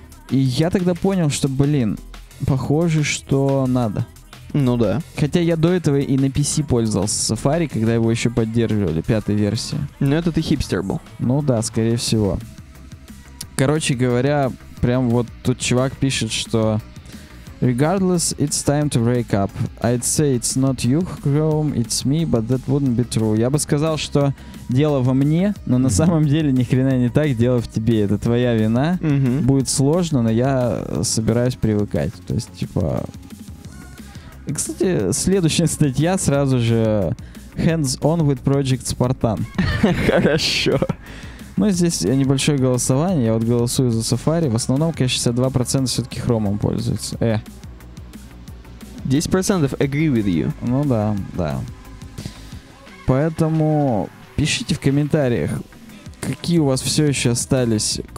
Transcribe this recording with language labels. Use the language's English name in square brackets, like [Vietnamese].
[Russian] И я тогда понял, что, блин, похоже, что надо. Ну да. Хотя я до этого и на PC пользовался Safari, когда его еще поддерживали, пятой версии. Ну это ты хипстер был. Ну да, скорее всего. Короче говоря, прям вот тут чувак пишет, что... [English] Regardless, it's time to break up. I'd say it's not you, Chrome, it's me, but that wouldn't be true. [Russian] Я бы сказал, что дело во мне, но на самом деле ни хрена не так, дело в тебе. Это твоя вина. Будет сложно, но я собираюсь привыкать. То есть, типа... И, кстати, следующая статья сразу же... [English] Hands on with Project Spartan. [Russian] Хорошо. Ну, здесь небольшое голосование. Я вот голосую за Safari. В основном, конечно, 62% все-таки Chrome'ом пользуются. [English] 10% agree with you. [Russian] Ну да, да. Поэтому пишите в комментариях, какие у вас все еще остались.